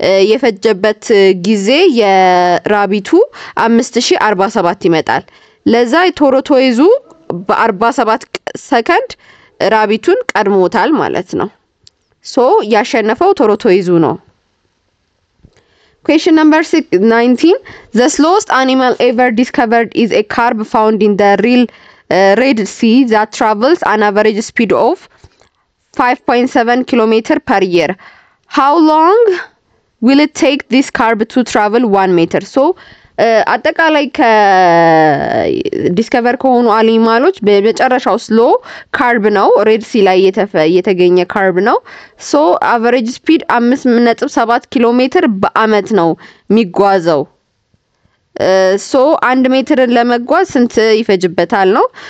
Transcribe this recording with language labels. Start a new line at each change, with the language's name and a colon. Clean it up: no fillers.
Amharic: የፈጀበት ጊዜ የራቢቱ 5047 ይመጣል። ለዛ ቶሮቶይዙ በ47 ሰከንድ ራቢቱን ቀድሞታል ማለት ነው። ሶ ያሸነፈው ቶሮቶይዙ ነው።
English: Question number 19. The slowest animal ever discovered is a carp found in the Red Sea that travels an average speed of 5.7 km per year. How long will it take this carp to travel 1 meter?
Amharic: So, አጠቃላይ ከዲስከቨር ከሆኑ አኒማሎች በመጨረሻው ስሎ ካርብ ነው። ሬድ ሲ ላይ የተገኘ ካርብ ነው። ሶ አቨሬጅ ስፒድ 5.7 ኪሎ ሜትር በአመት ነው የሚጓዘው። ሶ 1 ሜትርን ለመጓዝ ስንት ይፈጅበታል ነው?